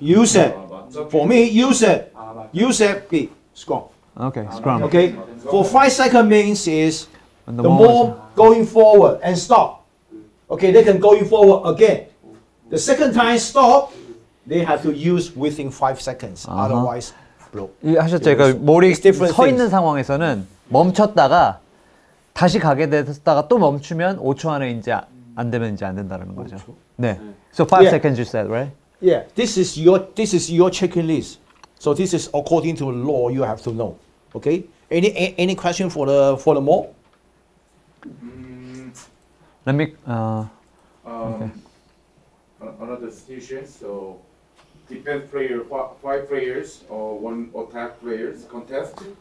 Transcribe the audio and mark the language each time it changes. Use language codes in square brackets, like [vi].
[en] Use it. For me, use it. Use it. Be scrum. Okay, scrum. Okay. For 5 seconds means is the mower going forward and stop. Okay, they can going forward again. The second time stop, they have to use within 5 seconds. Otherwise, blow. [ko] 하셨죠? 그러니까 머리 서 있는 상황에서는 멈췄다가 다시 가게 됐다가 또 멈추면 5초 안에 이제 안 되면 이제 안 된다는 거죠. 네. [en] So 5 yeah. seconds you said, right? Yeah. This is your checklist. So this is according to the law you have to know. Okay? Any question for the mall? Let me another situation. So depend player five players or one attack players contest.